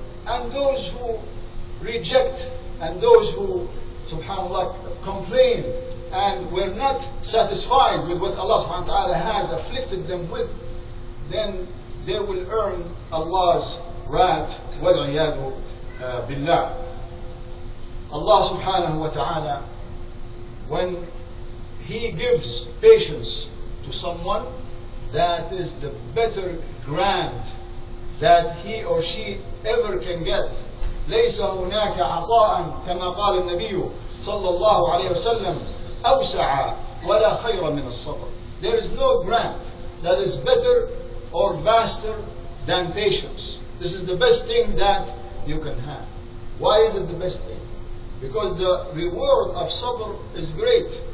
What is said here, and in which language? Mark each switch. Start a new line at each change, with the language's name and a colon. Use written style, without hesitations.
English: And those who reject and those who subhanAllah complain and were not satisfied with what Allah subhanahu wa ta'ala has afflicted them with, then they will earn Allah's wrath wal'iyadu billah. Allah subhanahu wa ta'ala, when he gives patience to someone, that is the better grant that he or she ever can get.
Arabic: ليس هناك عطاء كما قال النبي صلى الله عليه وسلم أوسع ولا خير من الصبر.
English: There is no grant that is better or vaster than patience. This is the best thing that you can have. Why is it the best thing? Because the reward of sabr is great.